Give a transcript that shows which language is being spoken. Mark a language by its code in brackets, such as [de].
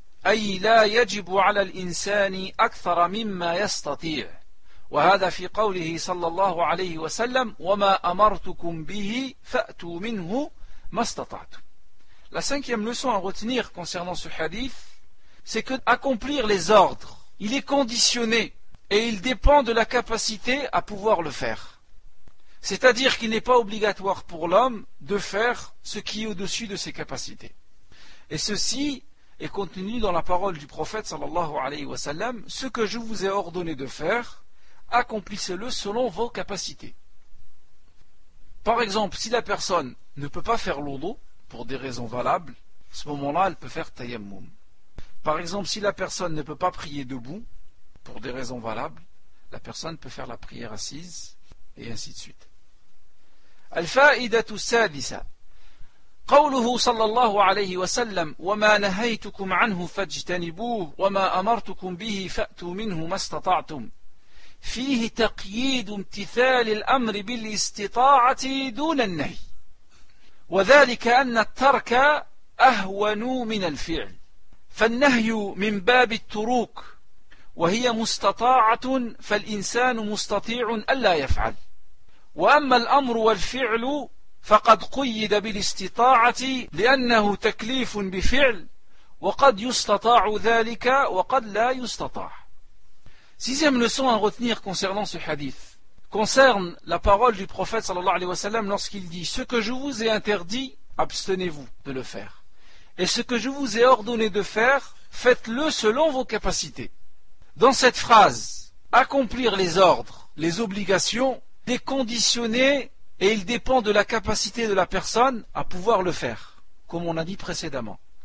[ar] أي لا يجب على الإنسان أكثر مما يستطيع، وهذا في قوله صلى الله عليه وسلم وما أمرتكم به فأتوا منه ما استطعتم. [fr] La cinquième leçon à retenir concernant ce hadith, c'est que accomplir les ordres, il est conditionné et il dépend de la capacité à pouvoir le faire. C'est-à-dire qu'il n'est pas obligatoire pour l'homme de faire ce qui est au-dessus de ses capacités. Et ceci est contenu dans la parole du prophète [ar] sallallahu alayhi wa sallam, [fr] ce que je vous ai ordonné de faire, accomplissez-le selon vos capacités. Par exemple, si la personne ne peut pas faire l'eau pour des raisons valables, à ce moment-là, elle peut faire tayammum. Par exemple, si la personne ne peut pas prier debout, pour des raisons valables, la personne peut faire la prière assise, et ainsi de suite. [ar] Al-fa'idatu sadisa. قوله صلى الله عليه وسلم وما نهيتكم عنه فاجتنبوه وما أمرتكم به فأتوا منه ما استطعتم فيه تقييد امتثال الأمر بالاستطاعة دون النهي وذلك أن الترك أهون من الفعل فالنهي من باب التروك وهي مستطاعة فالإنسان مستطيع ألا يفعل وأما الأمر والفعل فقد قيد بالاستطاعة لأنه تكليف بفعل وقد يستطاع ذلك وقد لا يستطاع. [fr] Sixième leçon à retenir concernant ce hadith concerne la parole du prophète [ar] sallallahu alayhi wa sallam [fr] lorsqu'il dit ce que je vous ai interdit, abstenez-vous de le faire et ce que je vous ai ordonné de faire, faites-le selon vos capacités. Dans cette phrase, accomplir les ordres, les obligations, les conditionner et il dépend de la capacité de la personne à pouvoir le faire, comme on a dit précédemment.